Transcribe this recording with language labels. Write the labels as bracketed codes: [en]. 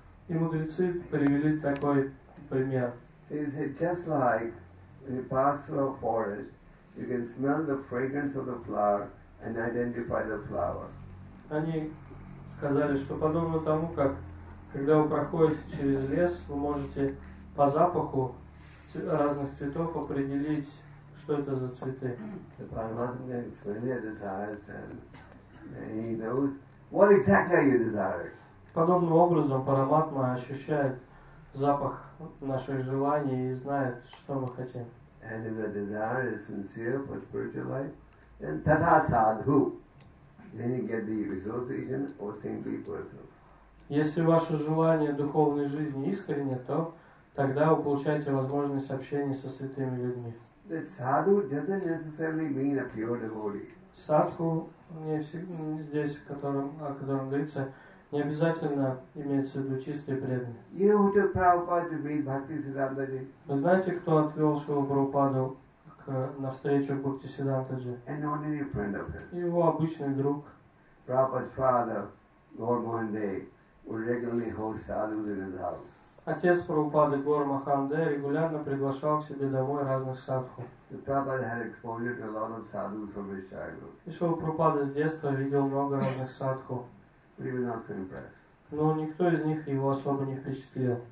[ru] И мудрецы привели такой пример. [en] Is it just like in a pastoral forest, you can smell the fragrance of the flower and identify the flower? [ru] Они сказали, что подобно тому, как когда вы проходите через лес, вы можете по запаху разных цветов определить, что это за цветы. [en] The Paramatma is familiar with desires and he knows what exactly are you desiring. [ru] Подобным образом Параматма ощущает запах наших желаний и знает, что мы хотим. [en] And if the desire is sincere for spiritual life, then [sa] tatha sadhu. [en] Then you get the association or saintly person. [ru] Если ваше желание духовной жизни искренне, то тогда вы получаете возможность общения со святыми людьми. [en] The sadhu doesn't necessarily mean a pure devotee. [ru] Садху здесь, о котором говорится, не обязательно имеется в виду чистый преданный. [en] You know who took Prabhupada to meet Bhaktisiddhanta Ji? [ru] Вы знаете, кто отвел Шрилу Прабхупаду на встречу Бхактисиддханта Джи? [en] An ordinary friend of his. [ru] Его обычный друг. [en] Prabhupada's father, Lord Mohandev, would regularly host sadhus in his house. [ru] Отец Прабхупады Гор Маханде регулярно приглашал к себе домой разных садху. Шрила Прабхупада с детства видел много разных садху. Но никто из них его особо не впечатлил.